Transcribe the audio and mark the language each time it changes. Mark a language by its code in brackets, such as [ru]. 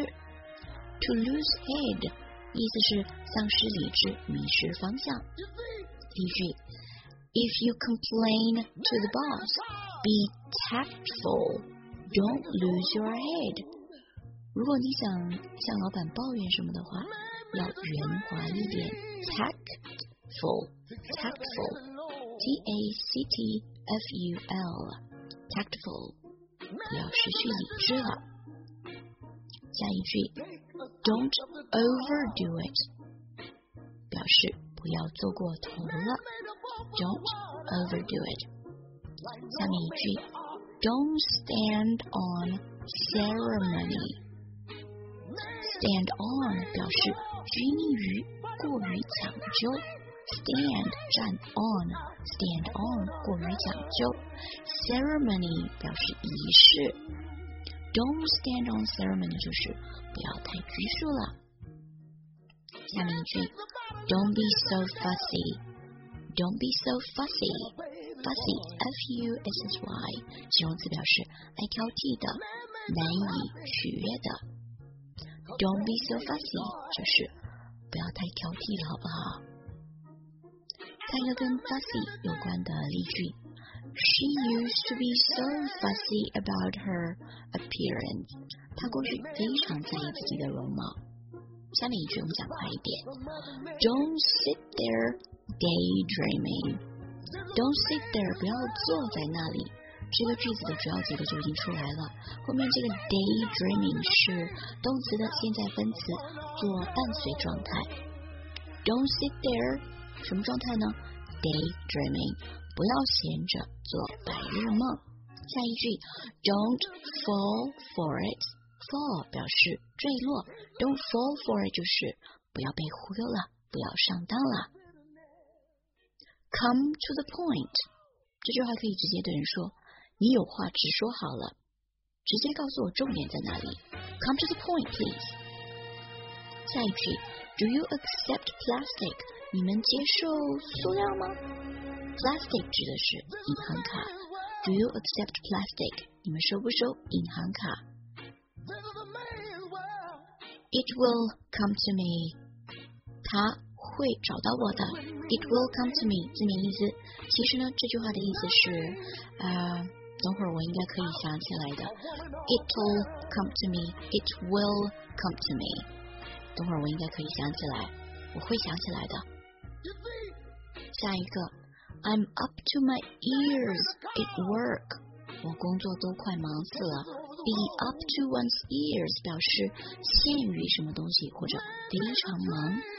[en] To lose head， [zh] 意思是丧失理智，迷失方向。第一句， [en] If you complain to the boss， be tactful， don't lose your head。 [zh] 如果你想向老板抱怨什么的话，要圆滑一点。 [en] Tactful, tactful, T-A-C-T-F-U-L, tactful, [zh] 不要失去理智了。下一句， [en] Don't overdo it, [zh] 表示不要做过头了。 [en] Don't overdo it. [zh] 下面一句， [en] Don't stand on ceremony. [zh] Stand on 表示拘泥于，过于讲究。 Stand 站 on， stand on 过于讲究。 Ceremony 表示仪式。 [en] Don't stand on ceremony [zh] 就是不要太拘束了。下面一句 [en] ，Don't be so fussy。 Don't be so fussy。 [zh] Fussy F U S S Y 形容词表示爱挑剔的，难以取悦的。 [en] Don't be so fussy， [zh] 就是不要太挑剔了，好不好？看一个跟 fussy 有关的例句。 [en] She used to be so fussy about her appearance， [zh] 她过去非常在意自己的容貌。下面一句我们讲快一点。 [en] Don't sit there daydreaming， Don't sit there， [zh] 不要坐在那里。这个句子的主要结构就已经出来了，后面这个 daydreaming 是动词的现在分词做伴随状态。 [en] Don't sit there [zh] 什么状态呢？ daydreaming 不要闲着做白日梦。下一句， [en] Don't fall for it， [zh] fall 表示坠落， Don't fall for it 就是不要被忽悠了，不要上当了。 [en] Come to the point， [zh] 这句话可以直接对人说，你有话直说好了，直接告诉我重点在哪里。 [en] Come to the point, please. [zh] 下一句， [en] Do you accept plastic? [zh] 你们接受塑料吗？ Plastic 指的是银行卡。 [en] Do you accept plastic? [zh] 你们收不收银行卡？ [en] It will come to me. [zh] 它会找到我的。 [en] It will come to me. [zh] 字面意思，其实呢，这句话的意思是，等会儿我应该可以想起来的。 [en] It'll come to me. It will come to me. [zh] 等会儿我应该可以想起来，我会想起来的。下一个， [en] I'm up to my ears at work， [zh] 我工作都快忙死了。 [en] Be up to one's ears [zh] 表示陷于什么东西或者非常忙。